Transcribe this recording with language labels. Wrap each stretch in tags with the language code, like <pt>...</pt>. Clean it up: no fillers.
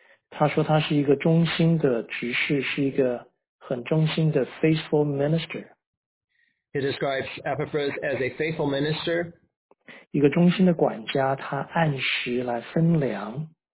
<zh>他说他是一个忠心的执事，是一个很忠心的</zh> <en>faithful minister. He describes Epaphras as a faithful minister.</en> <zh>一个忠心的管家，他按时来分粮。</zh>